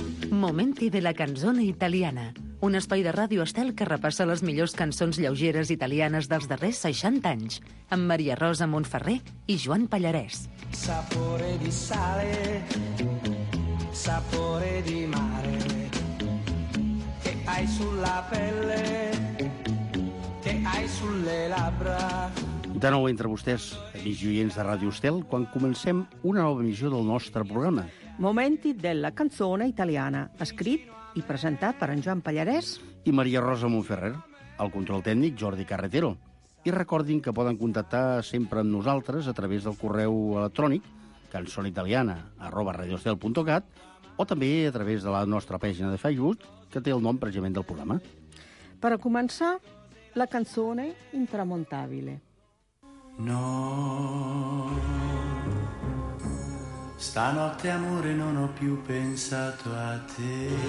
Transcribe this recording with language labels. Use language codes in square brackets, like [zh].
[it] Momenti della canzone italiana. [ca] Un espai de ràdio Estel que repassa les millors cançons lleugeres italianes dels darrers 60 anys, amb Maria Rosa Montferrer i Joan Pallarès. [it] Sapore di sale, sapore di mare, che hai sulla pelle, che hai sulle labbra. [ca] De nou entre vostès, amics i oients de Ràdio Estel, quan comencem una nova emissió del nostre programa. Momenti della canzone italiana, escrit i presentat per en Joan Pallarès i Maria Rosa Montferrer, el control tècnic Jordi Carretero. I recordin que poden contactar sempre amb nosaltres a través del correu electrònic cançonitaliana@radioestel.cat o també a través de la nostra pàgina de Facebook, que té el nom precisament del programa. Per a començar, [it] la canzone intramontabile. No, stanotte amore non ho più pensato a te.